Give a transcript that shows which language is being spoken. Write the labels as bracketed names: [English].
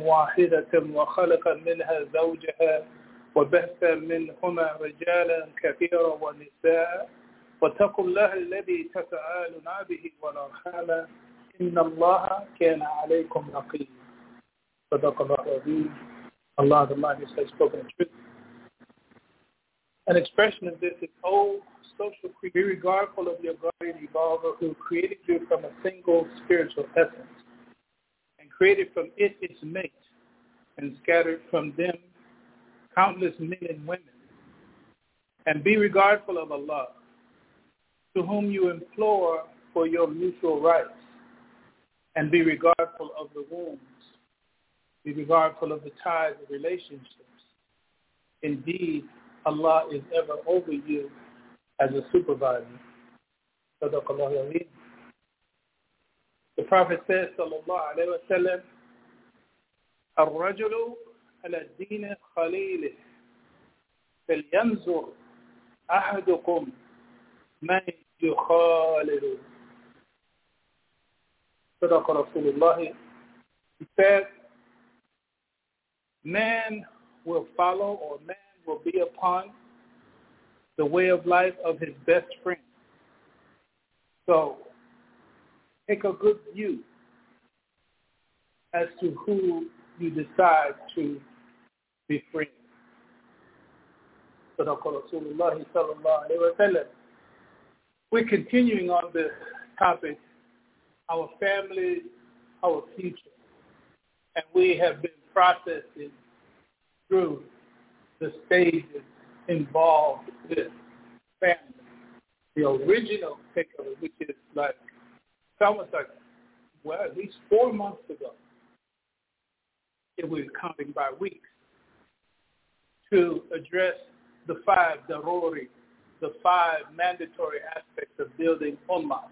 [Arabic] واحدة وخلق منها زوجها وبث منهما رجالا كثيرا ونساء واتقوا الله الذي تساءلون به والأرحام إن الله كان عليكم رقيبا صدق الله العظيم. [English] الله the mightiest has spoken truth. An expression of this is, O social creature, be regardful of your guardian evolver who created you from a single spiritual essence created from it its mate, and scattered from them countless men and women. And be regardful of Allah, to whom you implore for your mutual rights, and be regardful of the wounds, be regardful of the ties of relationships. Indeed, Allah is ever over you as a supervisor. [Arabic] Sadaqallahu alayhi. [English] The Prophet says, [Arabic] sallallahu alayhi wa sallam, الرجل على الدين خليله فلينظر أحدكم من يخالله. صدق رسول الله. [English] He said, man will follow or man will be upon the way of life of his best friend. soul. Take a good view as to who you decide to befriend. [Arabic] صدق رسول الله صلى الله عليه وسلم. [English] We're continuing on this topic, our family, our future. And we have been processing through the stages involved with family. The original picture, which is like, almost like, well, at least 4 months ago, it was counting by weeks, to address the five daruri, the five mandatory aspects of building ummah.